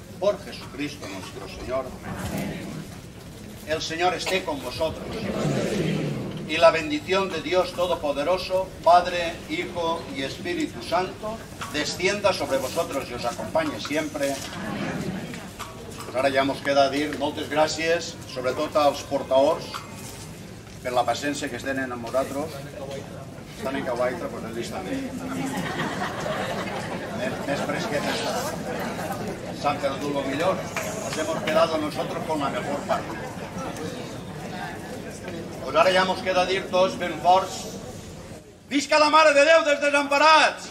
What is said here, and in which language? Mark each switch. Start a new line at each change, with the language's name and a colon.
Spanish: Por Jesucristo nuestro Señor. El Señor esté con vosotros. Y la bendición de Dios Todopoderoso, Padre, Hijo y Espíritu Santo, descienda sobre vosotros y os acompañe siempre. Pues ahora ya nos queda
Catalan: dir moltes gràcies, sobretot als portaors, per la paciència que tenen amb vosaltres. Estan en Cahuaita, però pues ells també. Més fresqueta està. S'han perdut lo millor.
Spanish: Nos hemos quedado nosotros con la mejor parte.
Catalan: Pues ara ja mos queda dir tots ben forts. Visca la Mare de Déu dels Desamparats!